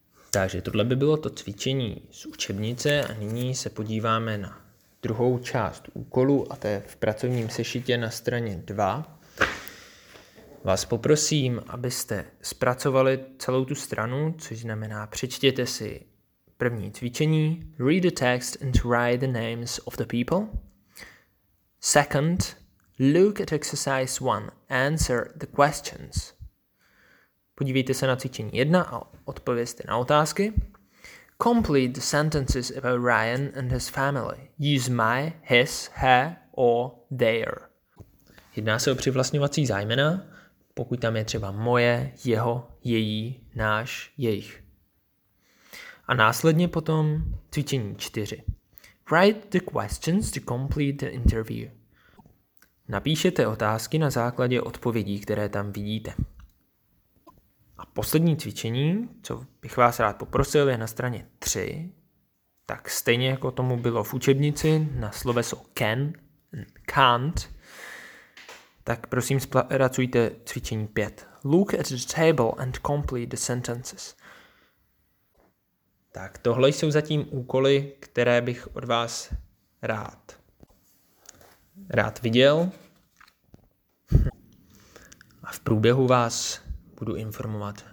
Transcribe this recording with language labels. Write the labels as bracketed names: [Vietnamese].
[Czech] Takže tohle by bylo to cvičení z učebnice a nyní se podíváme na druhou část úkolu a to je v pracovním sešitě na straně 2. Vás poprosím, abyste zpracovali celou tu stranu, což znamená přečtěte si první cvičení. [English] Read the text and write the names of the people. Second, look at exercise 1. Answer the questions. [Czech] Podívejte se na cvičení 1 a odpovězte na otázky. [English] Complete the sentences about Ryan and his family. Use my, his, her or their. [Czech] Jedná se o přivlastňovací zájmena, pokud tam je třeba moje, jeho, její, náš, jejich. A následně potom cvičení 4. [English] Write the questions to complete the interview. [Czech] Napíšete otázky na základě odpovědí, které tam vidíte. A poslední cvičení, co bych vás rád poprosil, je na straně 3. Tak stejně jako tomu bylo v učebnici, na sloveso can and can't, tak prosím zpracujte cvičení 5. [English] Look at the table and complete the sentences. [Czech] Tak tohle jsou zatím úkoly, které bych od vás rád viděl. A v průběhu vás budu informovat.